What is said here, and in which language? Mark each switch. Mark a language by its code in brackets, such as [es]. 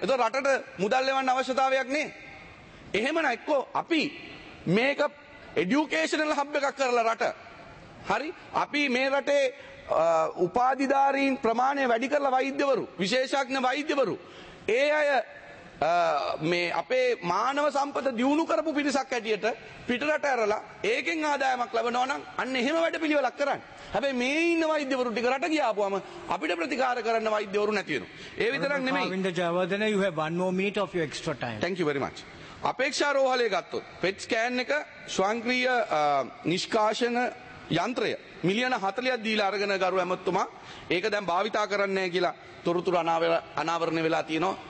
[si] ඒතකොට රටට මුදල් ලැබන්න අවශ්‍යතාවයක් නේ. එහෙමනම් එක්කෝ අපි මේක එඩියුකේෂනල් හබ් එකක් කරලා රට හරි අපි මේ රටේ උපාධිධාරීන් ප්‍රමාණය වැඩි කරලා වෛද්‍යවරු විශේෂඥ වෛද්‍යවරු ඒ අය මේ අපේ මානව සම්පත දියුණු කරපු පිරිසක් ඇටියට පිටරට ඇරලා ඒකෙන් ආදායමක් ලැබෙනවා නම් අන්න එහෙම වැඩ පිළිවෙලක් කරන්න. හැබැයි මේ ඉන්න වෛද්‍යවරු ටික රට ගියාපුවම අපිට ප්‍රතිකාර කරන්න වෛද්‍යවරු නැති වෙනවා. ඒ විතරක් නෙමෙයි. [en] Arvind Jayawardena, you have one more minute of your extra time. Thank you very much. [si] අපේක්ෂා රෝහලේ ගත්තොත් PET scan එක ස්වංක්‍රීය නිෂ්කාශන යන්ත්‍රය මිලියන 40ක් දීලා අරගෙන ගරු ඇමතුමා ඒක දැන් භාවිතා කරන්නේ නැහැ කියලා තොරතුරු අනාවරණය වෙලා තියෙනවා.